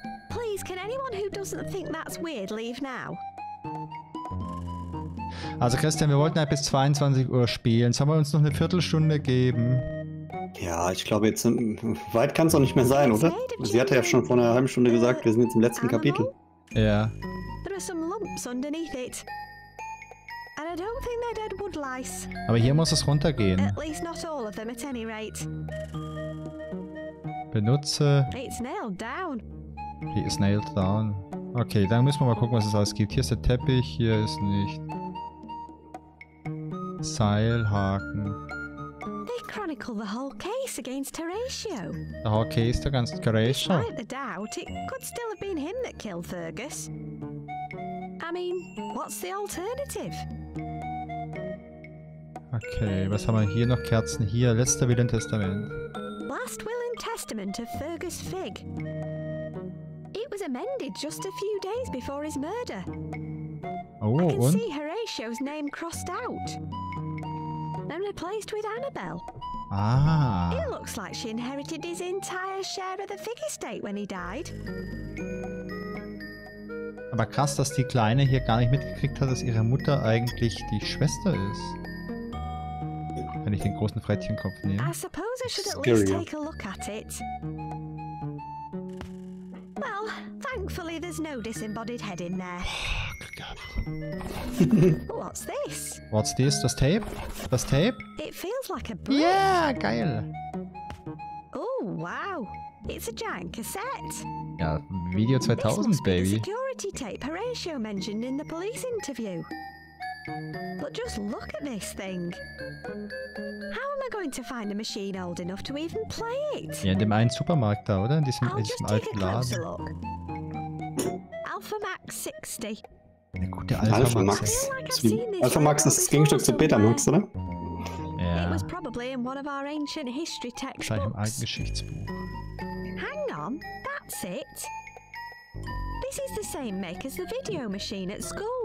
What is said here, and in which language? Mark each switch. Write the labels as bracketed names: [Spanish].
[English] Please, can anyone who doesn't think that's weird leave now? [German] Also Christian, wir wollten halt bis 22 Uhr spielen. Sollen wir uns noch eine Viertelstunde geben? Ja, ich glaube, jetzt weit kann es doch nicht mehr sein, oder? Sie hatte ja schon vor einer halben Stunde gesagt, wir sind jetzt im letzten Kapitel. Ja. [English] There are some lumps underneath it. And I don't think they're dead wood lice. [German] Aber hier muss es runtergehen. [English] At least not all of them at any rate. [German] Benutze. [English] It's nailed down. [German] Die ist [English] nailed down. [German] Okay, dann müssen wir mal gucken, was es alles gibt. Hier ist der Teppich, hier ist nicht. Seilhaken. [English] They chronicle the whole case against Horatio. The whole case against Horatio. Despite the doubt, it could still have been him that killed Fergus. I mean, what's the alternative? [German] Okay, was haben wir hier noch? Kerzen hier. Letzter Will und Testament. [English] Last Will and Testament of Fergus Fig. It was amended just a few days before his murder. Oh, I can [German] und? [English] See Horatio's name crossed out. Then replaced with Annabelle. Ah. It looks like she inherited his entire share of the Fig estate when he died. [German] Aber krass, dass die Kleine hier gar nicht mitgekriegt hat, dass ihre Mutter eigentlich die Schwester ist. Wenn ich den großen Frettchenkopf nehme. [English] I suppose I should at least take a look at it. Well, thankfully there's no disembodied head in there. What's this? What's this? [German] Das Tape? Das Tape? [English] It feels like a brick. [German] Yeah, geil. [English] Oh, wow. It's a giant cassette. [German] Ja, Video 2000, [English] this must baby. Be the security tape Horatio mentioned in the police interview. But just look at this thing. How am I going to find a machine old enough to even play it? [German] Ja, in dem einen Supermarkt da, oder? In diesem, [English] I'll [German] in diesem alten Laden. [English] Look. Alpha Max 60. [German] Eine gute Alpha Max. Alpha Max ist das Gegenstück zu Beta Max, oder? Ja. [English] It was probably in one of our ancient history textbooks. [German] Bei einem alten Geschichtsbuch. [English] Hang on, that's it. This is the same make as the video machine at school.